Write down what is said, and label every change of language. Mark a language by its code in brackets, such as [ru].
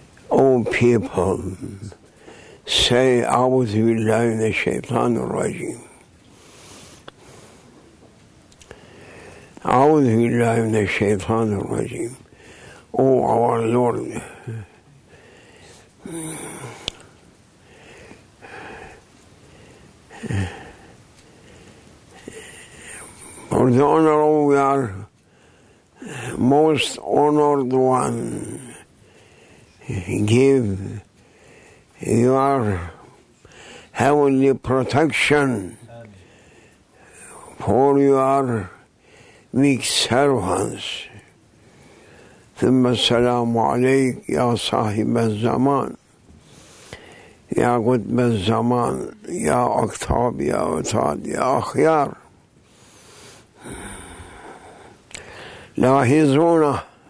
[en] Oh people, say [ar] أعوذ بالله من الشيطان الرجيم. أعوذ بالله من الشيطان الرجيم. [en] Oh our Lord, for the honor of we are most honored one, give your heavenly protection for your weak servants. [ar] ثم السلام عليك يا صاحب الزمان يا قطب الزمان يا أقطاب يا أوتاد يا أخيار لاحظونا.